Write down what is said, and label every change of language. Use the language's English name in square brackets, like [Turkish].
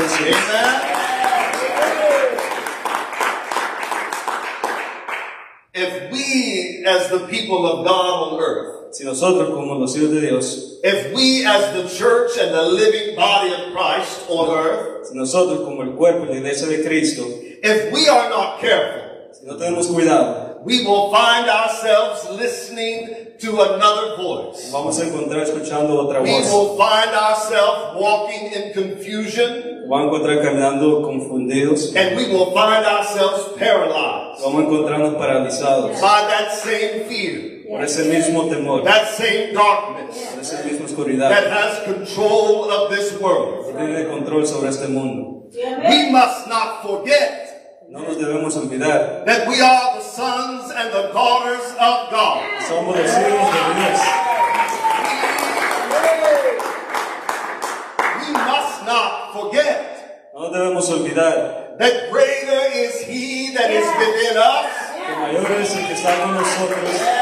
[English] Yes. If we as the people of God on earth, [Spanish] si nosotros, como los hijos de Dios, [English] if we as the church and the living body of Christ on earth, [Spanish] si nosotros, como el cuerpo, la iglesia de Cristo, [English] if we are not careful, [Spanish] si no tenemos cuidado, [English] we will find ourselves listening to another voice. [Spanish] Vamos a encontrar escuchando otra voz. [English] We will find ourselves walking in confusion. [Spanish] Vamos a encontrar caminando confundidos. [English] And we will find ourselves paralyzed. [Spanish] Vamos a encontrarnos paralizados. [English] By that same fear. [Spanish] Por ese mismo temor. [English] That same darkness. [Spanish] Por esa misma oscuridad. [English] That has control of this world. [Spanish] Tiene control sobre este mundo. [English] We must not forget. [Spanish] No nos debemos olvidar. [English] That we are the sons and the daughters of God. [Spanish] Somos los hijos de Dios. [English] We must not forget. [Spanish] No debemos olvidar. [English] That greater is he that is within us. [Spanish] Que mayor es el que está con nosotros.